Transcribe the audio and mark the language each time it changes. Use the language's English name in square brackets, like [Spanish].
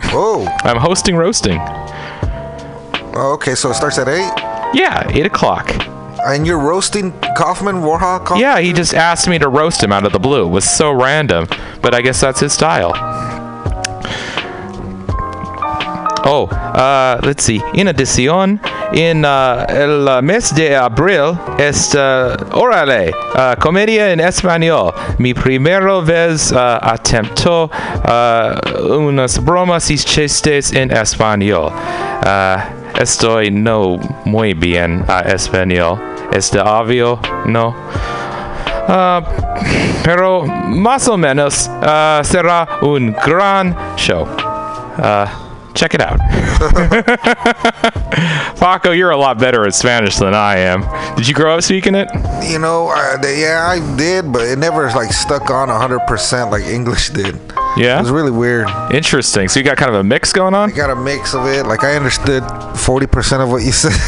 [English] Oh. I'm hosting roasting. Okay, so it starts at 8? Yeah, 8 o'clock. And you're roasting Kaufman, Warhawk? Kaufman? Yeah, he just asked me to roast him out of the blue. It was so random, but I guess that's his style. Oh, let's see. In addition, in [Spanish] el mes de abril, esta orale, comedia en español. Mi primera vez atempto unas bromas y chistes en español. Estoy no muy bien a español. Este obvio, no. Pero más o menos será un gran show. [English] Check it out. Paco, you're a lot better at Spanish than I am. Did you grow up speaking it? You know, yeah, I did, but it never like stuck on 100% like English did. Yeah? It was really weird. Interesting. So you got kind of a mix going on? I got a mix of it. Like, I understood 40% of what you said.